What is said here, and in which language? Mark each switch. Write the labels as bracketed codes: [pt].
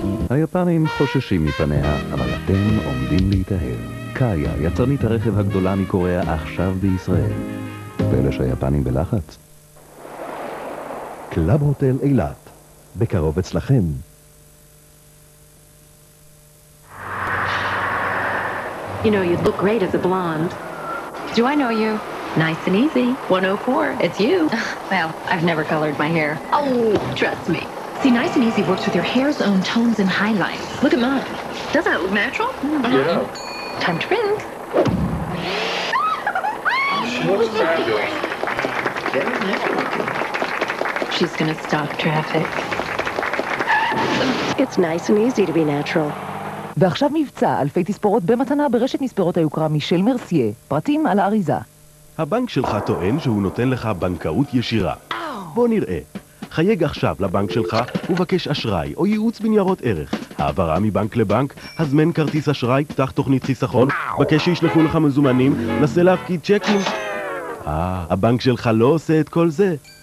[he] היפנים חוששים מפניה, אבל אתם עומדים להתאהב. קאיה, יצרנית הרכב הגדולה מקוריאה עכשיו בישראל. ואלה שהיפנים בלחץ. קלאב הוטל אילת, בקרוב אצלכם. [en] You know, you look great as a blonde. Do I know you? Nice and easy. 104, it's you. Well, I've never colored my hair. Oh, trust me. See, nice and easy works with your hair's own tones and highlights. Look at mine. Does that look natural? Mm-hmm. Yeah. Time to rinse. What's that doing? Yeah. She's gonna stop traffic. It's nice and easy to be natural. [he] ועכשיו מבצע, אלפי תספורות במתנה ברשת מספרות היוקרה מישל מרסיה. פרטים על האריזה. הבנק שלך טוען שהוא נותן לך בנקאות ישירה. בוא נראה. חייג עכשיו לבנק שלך ובקש אשראי או ייעוץ בניירות ערך. העברה מבנק לבנק, הזמן כרטיס אשראי, פתח תוכנית חיסכון, בקש שישלחו לך מזומנים, נסה להפקיד צ'קים. הבנק שלך לא עושה את כל זה.